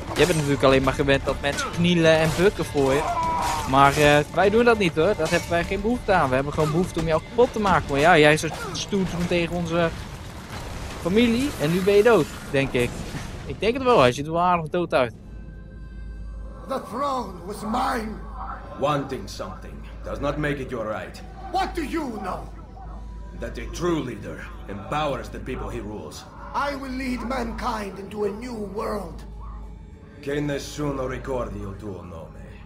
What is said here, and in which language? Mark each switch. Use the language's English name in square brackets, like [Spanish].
[Dutch] Je bent natuurlijk alleen maar gewend dat mensen knielen en bukken voor je. Maar wij doen dat niet, hoor. Dat hebben wij geen behoefte aan. We hebben gewoon behoefte om jou kapot te maken. Maar ja, jij is een stoet tegen onze familie. En nu ben je dood, denk ik. Ik denk het wel, hij ziet er wel aardig dood uit. [English] The throne was mine. Wanting something does not make it your right. What do you know? That a true leader empowers the people he rules. I will lead mankind into a new world. [Italian] Che nessuno ricordi il tuo nome.